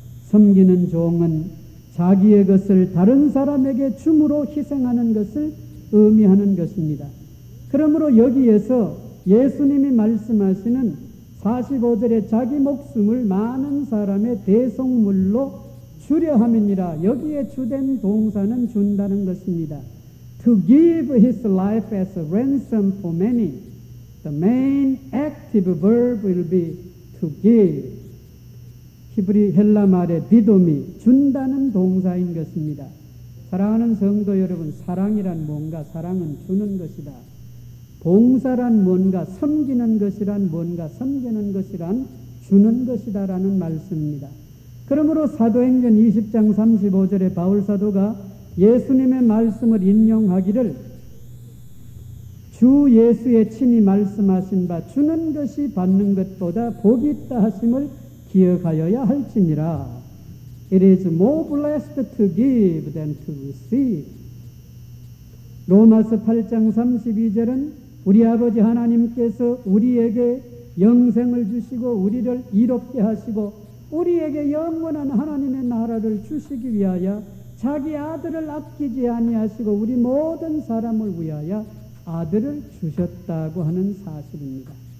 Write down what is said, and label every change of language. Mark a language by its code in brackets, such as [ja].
[ko] 섬기는 종은 자기의 것을 다른 사람에게 줌으로 희생하는 것을 의미하는 것입니다. 그러므로 여기에서 예수님이 말씀하시는 45절에 자기 목숨을 많은 사람의 대속물로 주려 함이니라, 여기에 주된 동사는 준다는 것입니다. [en] To give his life as a ransom for many. The main active verb will be to give. [ko] 히브리 헬라 말의 디도미, 준다는 동사인 것입니다. 사랑하는 성도 여러분, 사랑이란 뭔가? 사랑은 주는 것이다. 봉사란 뭔가? 섬기는 것이란 뭔가? 섬기는 것이란 주는 것이다 라는 말씀입니다. 그러므로 사도행전 20장 35절에 바울사도가 예수님의 말씀을 인용하기를 주 예수의 친히 말씀하신 바 주는 것이 받는 것보다 복이 있다 하심을 기억하여야 할지니라. [en] It is more blessed to give than to receive. [ko] 로마서 8장 32절은 우리 아버지 하나님께서 우리에게 영생을 주시고 우리를 이롭게 하시고 우리에게 영원한 하나님의 나라를 주시기 위하여 자기 아들을 아끼지 아니하시고 우리 모든 사람을 위하여 아들을 주셨다고 하는 사실입니다.